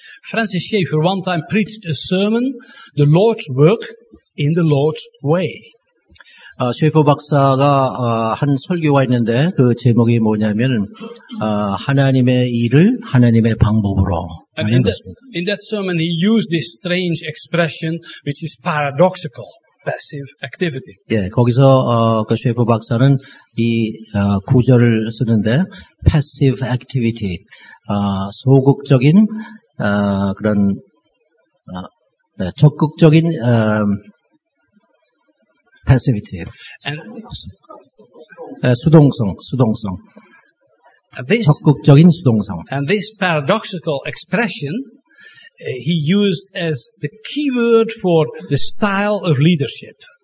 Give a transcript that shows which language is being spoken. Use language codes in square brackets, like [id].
[en] Francis Schaeffer one time preached a sermon, The Lord's Work in the Lord's Way. [ko] 셰이퍼 박사가 한 설교가 있는데 그 제목이 뭐냐면 하나님의 일을 하나님의 방법으로 하는 것입니다. [en] In that sermon he used this strange expression which is paradoxical. Passive activity. [ko] 예, 거기서 그 셰이퍼 박사는 이 구절을 쓰는데 [en] passive activity, [ko] 소극적인 그런 적극적인 passivity. [en] And [ko] 수동성. This, 적극적인 수동성. [en] And this paradoxical expression he used as the key word for the style of leadership.